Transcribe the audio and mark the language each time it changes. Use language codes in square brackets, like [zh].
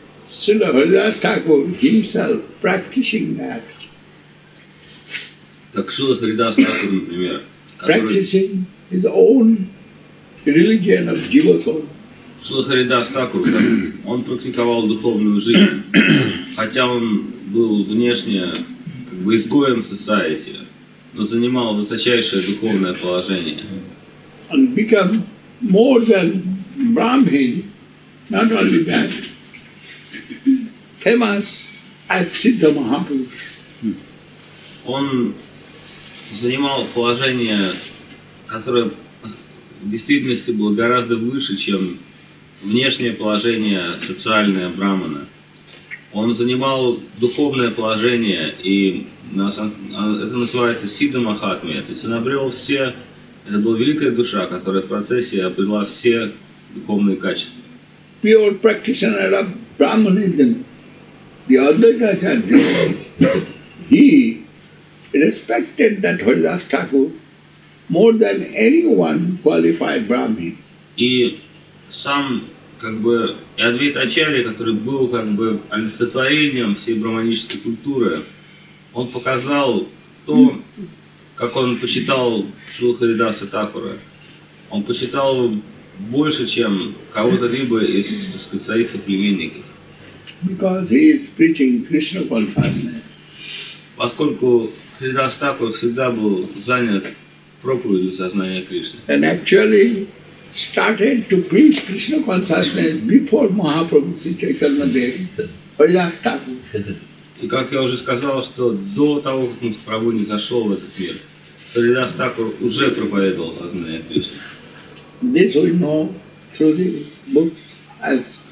[en] Srila Haridas Thakur himself practicing that. [ru] Так Srila Haridas Thakur, например, [en] practicing his own religion of Jiva soul. [ru] Srila Haridas Thakur, он практиковал духовную жизнь, хотя он был внешне как бы изгоем в society, но занимал высочайшее духовное положение. [en] And become more than Brahmin, not only that, famous as Siddha Mahapurush. [ru] Он занимал положение, которое в действительности было гораздо выше, чем внешнее положение социальное брахмана. Он занимал духовное положение, и это называется Сидда Махатмья. То есть он обрел все, это была великая душа, которая в процессе обрела все духовные качества. [en] Pure practitioner of Brahmanism. The Advaita Acharya, he respected that Haridas Thakur more than anyone qualified Brahmin. [ru] И сам как бы Адвайта Ачарья, который был как бы олицетворением всей брахманической культуры, он показал то, как он почитал Шрилу Харидаса Такура. Он почитал больше, чем кого-то либо из, так сказать, своих соплеменников. [en] Because he is preaching Krishna consciousness. [ru] Поскольку Харидас Такур всегда был занят проповедью сознания Кришны. [en] And actually started to preach Krishna consciousness before Mahaprabhu Sri Chaitanya Devi, Харидас Такур. [ru] И как я уже сказал, что до того, как Махапрабху не зашел в этот мир, Харидас Такур уже проповедовал сознание Кришны. [en] This we know through the books as